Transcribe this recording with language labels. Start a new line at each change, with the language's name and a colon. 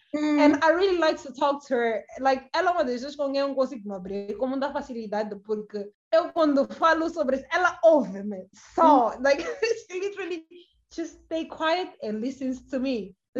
English: And I really like to talk to her.
Portuguese: Like, ela é uma das pessoas com quem eu consigo me abrir com muita facilidade, porque eu quando falo sobre isso, ela ouve-me. Só.
English: Like, she literally just stay quiet and listens to me.